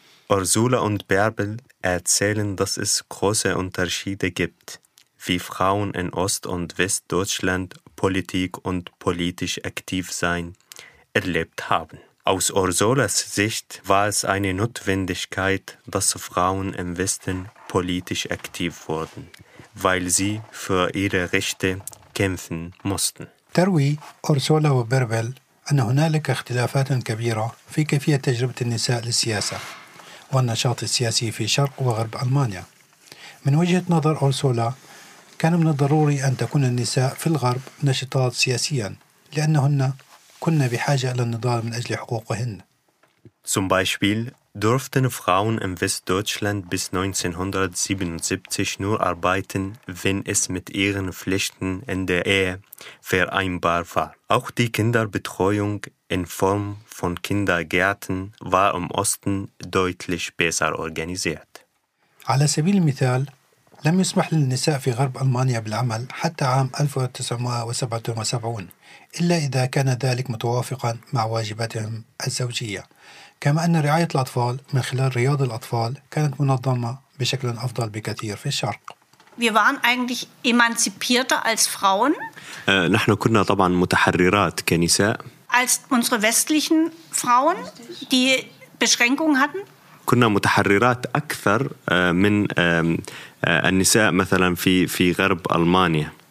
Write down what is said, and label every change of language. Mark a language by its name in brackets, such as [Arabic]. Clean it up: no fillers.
[German] Ursula und Bärbel erzählen, dass es große Unterschiede gibt, wie Frauen in Ost- und Westdeutschland Politik und politisch aktiv sein erlebt haben. Aus Ursulas Sicht war es eine Notwendigkeit, dass Frauen im Westen politisch aktiv wurden, weil sie für ihre Rechte kämpfen mussten. [Arabic] تروي أرسولا وبيربل أن هنالك اختلافات كبيرة في كيفية تجربة النساء للسياسة والنشاط السياسي في شرق وغرب ألمانيا. من وجهة نظر أرسولا كان من الضروري أن تكون النساء في الغرب نشطات سياسيا لأنهن كنا بحاجة إلى النضال من أجل حقوقهن. [German] Zum Beispiel durften Frauen in Westdeutschland bis 1977 nur arbeiten, wenn es mit ihren Pflichten in der Ehe vereinbar war. Auch die Kinderbetreuung in Form von Kindergärten war im Osten deutlich besser organisiert. [Arabic] على سبيل المثال لم يسمح للنساء في غرب ألمانيا بالعمل حتى عام 1977 إلا إذا كان ذلك متوافقا مع واجباتهم الزوجية. كما أن رعاية الأطفال من خلال رياض الأطفال كانت منظمة بشكل أفضل بكثير في الشرق. [German] Wir waren eigentlich emanzipierter als Frauen. [Arabic] نحن كنا طبعا متحررات كنساء. [German] Als unsere westlichen Frauen, die Beschränkungen hatten. [Arabic] كنا متحررات أكثر من النساء مثلا في غرب ألمانيا.